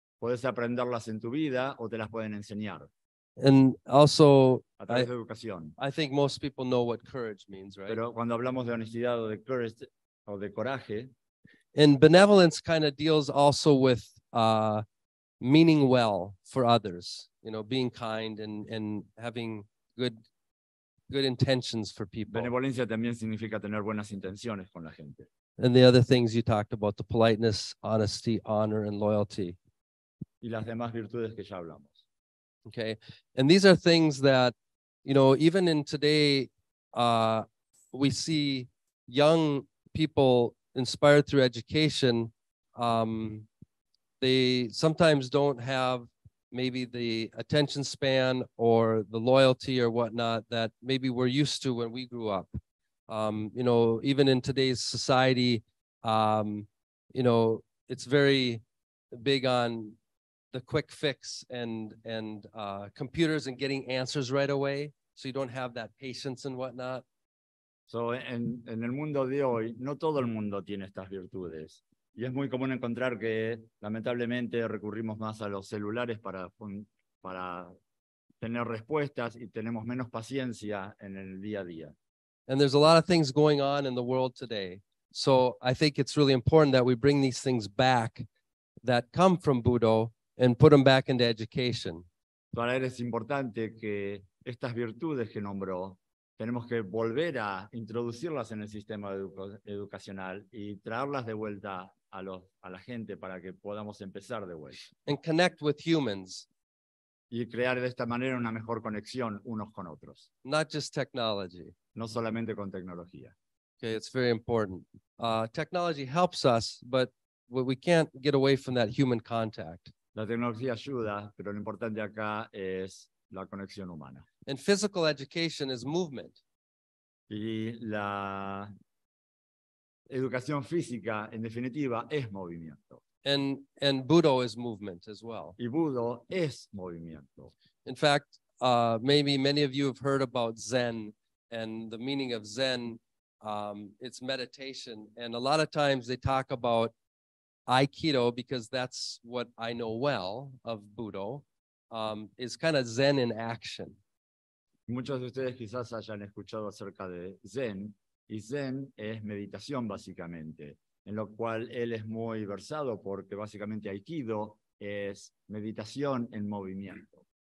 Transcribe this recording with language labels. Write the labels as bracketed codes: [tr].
[es] Puedes aprenderlas en tu vida o te las pueden enseñar. [en] And also, [es] a través de educación. [en] I think most people know what courage means, right? [es] Pero cuando hablamos de honestidad o de courage o de coraje. [en] And benevolence kind of deals also with meaning well for others, you know, being kind and having good intentions for people. [es] Benevolencia también significa tener buenas intenciones con la gente. [en] And the other things you talked about, the politeness, honesty, honor, and loyalty. [es] Y las demás virtudes que ya hablamos. [en] Okay, and these are things that, you know, even in today, we see young people inspired through education. They sometimes don't have maybe the attention span or the loyalty or whatnot that maybe we're used to when we grew up. You know, even in today's society, you know, it's very big on the quick fix and computers and getting answers right away, so you don't have that patience and whatnot. [es] So en el mundo de hoy, no todo el mundo tiene estas virtudes. Y es muy común encontrar que, lamentablemente, recurrimos más a los celulares para tener respuestas y tenemos menos paciencia en el día a día. [en] And there's a lot of things going on in the world today. So I think it's really important that we bring these things back that come from Budo and put them back into education. [es] Para él es importante que estas virtudes que nombró, tenemos que volver a introducirlas en el sistema educacional y traerlas de vuelta a la gente para que podamos empezar de vuelta. [en] And connect with humans. [es] Y crear de esta manera una mejor conexión unos con otros. [en] Not just technology. [es] No solamente con tecnología. [en] Okay, it's very important. Technology helps us, but we can't get away from that human contact. [es] La tecnología ayuda, pero lo importante acá es la conexión humana. [en] And physical education is movement. [es] Y la educación física, en definitiva, es movimiento. [en] And Budo is movement as well. [es] Y Budo es movimiento. [en] In fact, maybe many of you have heard about Zen and the meaning of Zen. It's meditation. And a lot of times they talk about Aikido, because that's what I know well of Budo, is kind of Zen in action. [es] Muchos de ustedes quizás hayan escuchado acerca de Zen, y Zen es meditación básicamente, en lo cual él es muy versado porque básicamente Aikido es meditación en movimiento.